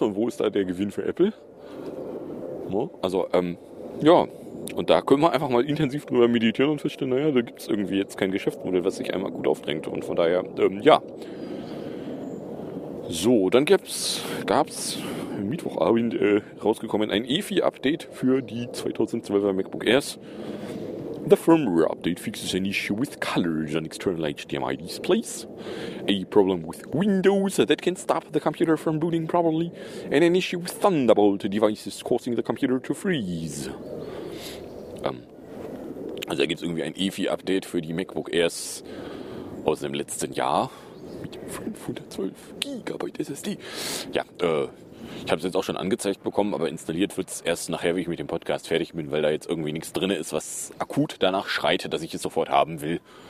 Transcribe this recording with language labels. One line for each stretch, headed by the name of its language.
German: Und wo ist da der Gewinn für Apple? No? Also, ja, und da können wir einfach mal intensiv drüber meditieren und feststellen, naja, da gibt es irgendwie jetzt kein Geschäftsmodell, was sich einmal gut aufdrängt. Und von daher, ja. So, dann gab's Mittwochabend rausgekommen ein EFI-Update für die 2012er MacBook Airs.
English: The firmware update fixes an issue with colors on external HDMI displays, a problem with Windows that can stop the computer from booting properly, and an issue with Thunderbolt devices causing the computer to freeze.
German: Also da gibt's irgendwie ein EFI-Update für die MacBook Airs aus dem letzten Jahr. Mit 512 GB SSD. Ja, ich habe es jetzt auch schon angezeigt bekommen, aber installiert wird es erst nachher, wie ich mit dem Podcast fertig bin, weil da jetzt irgendwie nichts drin ist, was akut danach schreit, dass ich es sofort haben will.